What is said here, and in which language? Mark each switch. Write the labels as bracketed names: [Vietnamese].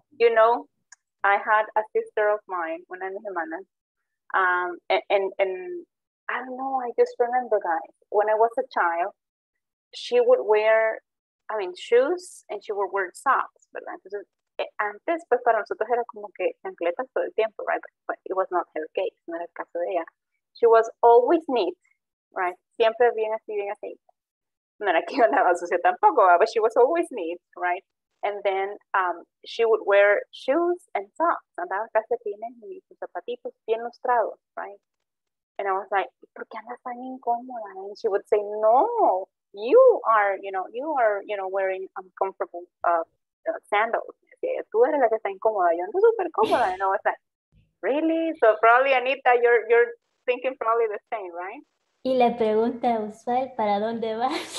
[English] You know, I had a sister of mine, [Spanish] una de mis hermanas, [English] and I don't know, I just remember, guys, when I was a child, she would wear, I mean, shoes, and she would wear socks, ¿verdad? [Spanish] Entonces, antes, pues, para nosotros era como que chancletas todo el tiempo, right? [English] But it was not her case, [Spanish] no era el caso de ella. [English] She was always neat, right? [Spanish] Siempre bien así, no era que yo andaba sucia tampoco, [English] but she was always neat, right? And then she would wear shoes and socks. [Spanish] Andaba calcetines y sus zapatitos bien lustrados, right? [English] And I was like, [Spanish] ¿por qué andas tan incómoda? [English] And she would say, no, you are wearing uncomfortable sandals. [Spanish] Okay, tú eres la que está incómoda, yo ando súper cómoda. [English] And I was like, really? So probably, Anita, you're thinking probably the same, right? [Spanish] Y le pregunta a usted, ¿para dónde vas?